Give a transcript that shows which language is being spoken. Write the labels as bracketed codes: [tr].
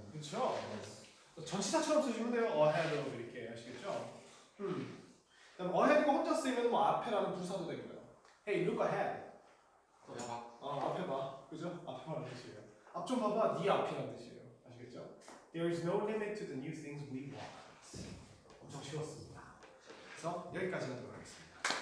[ko] 그렇죠. 전치사처럼 쓰시면 돼요. ahead of 이렇게 아시겠죠? 그럼 ahead가 혼자 쓰이면 뭐 앞에라는 부사도 되고요. [en] Hey, look ahead. [ko] 봐봐. 앞에 봐. 그죠? 앞에 봐라는 뜻이에요. 앞 좀 봐봐. 네 앞이라는 뜻이에요. 아시겠죠? [en] There is no limit to the new things we want. [ko] 엄청 쉬웠습니다. 그래서 여기까지 하도록 하겠습니다.